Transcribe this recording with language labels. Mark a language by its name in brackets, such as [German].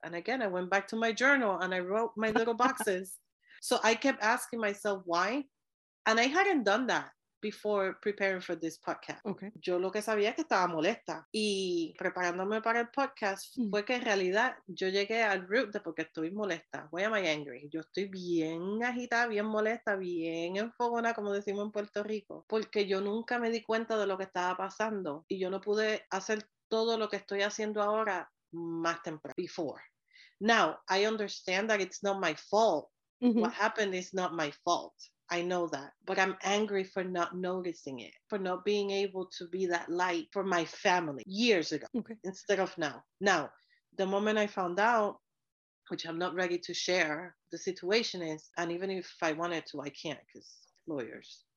[English] And again, I went back to my journal and I wrote my little boxes. So, I kept asking myself why. And I hadn't done that before preparing for this podcast. Okay. [Spanish] Yo lo que sabía es que estaba molesta. Y preparándome para el podcast fue que en realidad yo llegué al root de por qué estoy molesta. Why am I angry? Yo estoy bien agitada, bien molesta, bien enfogona, como decimos en Puerto Rico. Porque yo nunca me di cuenta de lo que estaba pasando. Y yo no pude hacer todo lo que estoy haciendo ahora más temprano, before. [English] Now, I understand that it's not my fault. Mm-hmm. What happened is not my fault. I know that, but I'm angry for not noticing it, for not being able to be that light for my family years ago, okay, instead of now. Now, the moment I found out, which I'm not ready to share, the situation is, and even if I wanted to, I can't because lawyers.